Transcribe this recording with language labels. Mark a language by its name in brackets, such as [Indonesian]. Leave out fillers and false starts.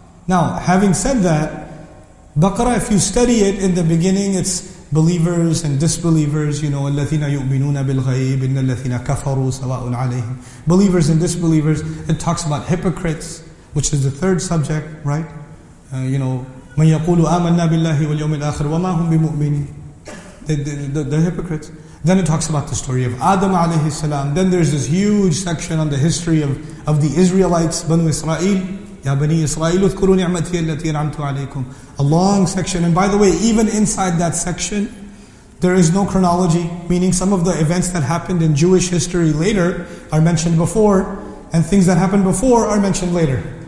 [English] Now, having said that, Baqarah, if you study it in the beginning, it's believers and disbelievers, you know, [Arabic] الَّذِينَ يُؤْمِنُونَ بِالْغَيْبِ إِنَّ الَّذِينَ كَفَرُوا سَوَاءٌ عَلَيْهِمْ. [English] Believers and disbelievers. It talks about hypocrites, which is the third subject, right? You know, [Arabic] مَنْ يَقُولُ آمَنَّا بِاللَّهِ وَالْيَوْمِ الْآخِرِ وَمَا هُمْ بِمُؤْمِنِينَ. [English] They're hypocrites. Then it talks about the story of Adam alayhi salam. Then there's this huge section on the history of the Israelites, Banu Israel. [Arabic] يَا بَنِي إِسْرَائِيلُ اذْكُرُوا نِعْمَتِيَ الَّتِي أَنْعَمْتُ عَلَيْكُمْ. [English] A long section. And by the way, even inside that section, there is no chronology, meaning some of the events that happened in Jewish history later are mentioned before, and things that happened before are mentioned later.